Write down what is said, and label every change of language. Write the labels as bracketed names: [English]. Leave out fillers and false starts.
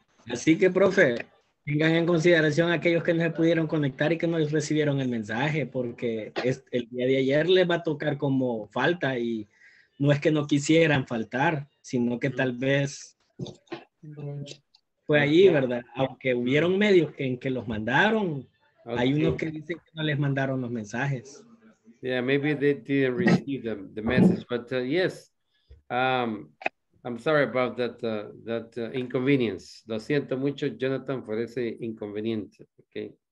[Spanish] Así que, profe, tengan en consideración aquellos que no se pudieron conectar y que no recibieron el mensaje, porque el día de ayer les va a tocar como falta y no es que no quisieran faltar, sino que tal vez... Fue allí, ¿verdad? Aunque hubieron medios que en que los mandaron, okay. Hay unos que dicen que no les mandaron los mensajes. [English] Yeah, maybe they didn't receive the message, but yes. I'm sorry about that inconvenience. [Spanish] Lo siento mucho, Jonathan, por ese inconveniente, okay?